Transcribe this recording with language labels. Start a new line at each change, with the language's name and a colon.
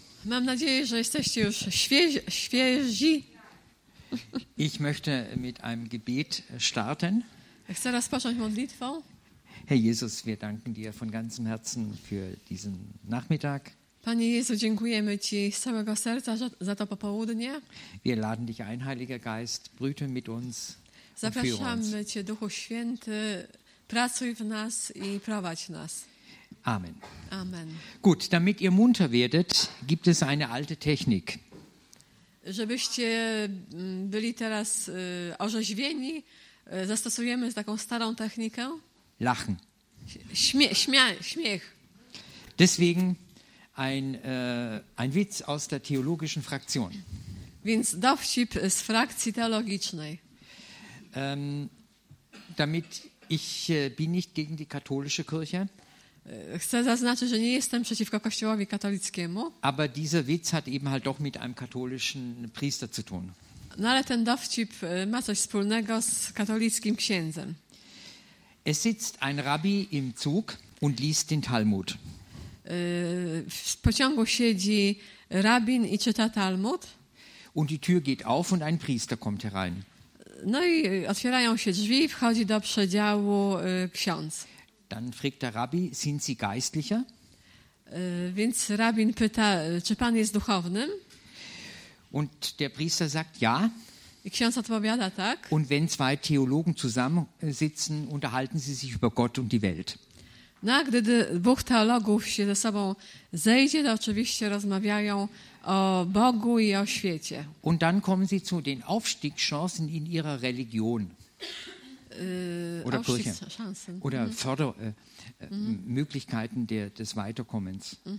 Polish: Mam nadzieję, że jesteście już świeżi.
German: Ich möchte mit einem Gebet starten.
Polish: Chcę rozpocząć modlitwą.
German: Herr Jesus, wir danken dir von ganzem Herzen für diesen Nachmittag.
Polish: Panie Jezu, dziękujemy Ci z całego serca za to popołudnie.
German: Wir laden dich ein, Heiliger Geist, brüte mit uns.
Polish: Zapraszamy Cię, Duchu Święty, pracuj w nas i prowadź nas. Amen. Amen.
German: Gut, damit ihr munter werdet, gibt es eine alte Technik.
Polish: Żebyście byli teraz orzeźwieni, zastosujemy taką starą technikę.
German: Lachen.
Polish: Śmiech.
German: Deswegen ein Witz aus der theologischen Fraktion.
Polish: Więc dowcip z frakcji teologicznej.
German: Damit ich bin nicht gegen die katholische Kirche.
Polish: Chcę zaznaczyć, że nie jestem przeciwko Kościołowi katolickiemu.
German: Aber dieser Witz hat eben halt doch mit einem katholischen Priester zu tun.
Polish: No, ale ten dowcip ma coś wspólnego z katolickim księdzem.
German: Es sitzt ein Rabbi im Zug und liest den Talmud.
Polish: W pociągu siedzi rabin i czyta Talmud.
German: Und die Tür geht auf und ein Priester kommt herein.
Polish: No i otwierają się drzwi, wchodzi do przedziału ksiądz.
German: Dann fragt der Rabbi, sind Sie geistlicher?
Polish: Więc rabin pyta, czy pan jest duchownym?
German: Und der Priester sagt ja.
Polish: I ksiądz odpowiada tak.
German: Und wenn zwei Theologen zusammen sitzen, unterhalten sie sich über Gott und die Welt.
Polish: No, gdy dwóch teologów się ze sobą zejdzie, to oczywiście rozmawiają o Bogu i o świecie.
German: Und dann kommen sie zu den Aufstiegschancen in ihrer Religion. Oder Kirche. Oder Fördermöglichkeiten des Weiterkommens.